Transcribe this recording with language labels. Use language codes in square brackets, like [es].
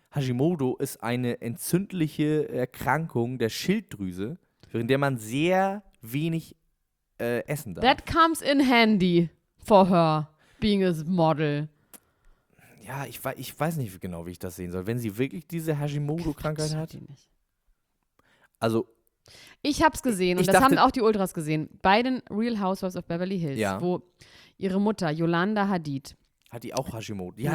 [de] Hashimoto ist eine entzündliche Erkrankung der Schilddrüse, während der man sehr wenig essen darf. [en] That comes in handy for her, being a model. [de] Ja, ich weiß nicht genau, wie ich das sehen soll. Wenn sie wirklich diese Hashimoto-Krankheit hat. Also. Ich hab's gesehen und das haben auch die Ultras gesehen. Bei den Real Housewives of Beverly Hills, ja. Wo ihre Mutter, Yolanda Hadid. Hat die auch Hashimoto? Die